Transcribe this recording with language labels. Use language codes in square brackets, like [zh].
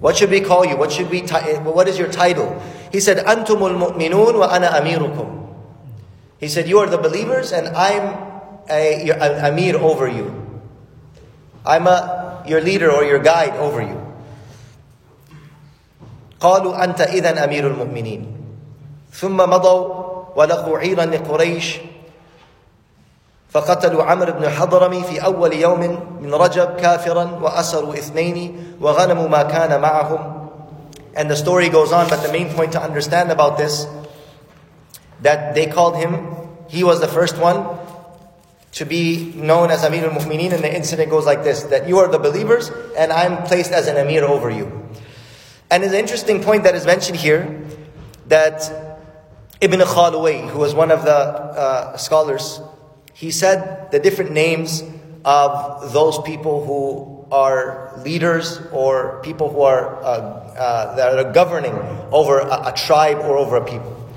[en] What should we call you? What is your title? He said, [ar] أَنْتُمُ الْمُؤْمِنُونَ وَأَنَا أَمِيرُكُمْ. [en] He said, you are the believers and I'm an amir over you. I'm your leader or your guide over you. [ar] قالوا أنت إذن أمير المؤمنين ثم مضوا ولقوا عيرا لقريش فقتلوا عمرو بن حضرمي في أول يوم من رجب كافرا وأسروا اثنين وغنموا ما كان معهم. [en] And the story goes on, but the main point to understand about this, that they called him, he was the first one to be known as Amir al-Mu'mineen, and the incident goes like this, that you are the believers and I'm placed as an Amir over you. And it's an interesting point that is mentioned here, that Ibn Khalway, who was one of the scholars, he said the different names of those people who are leaders or people who are that are governing over a tribe or over a people.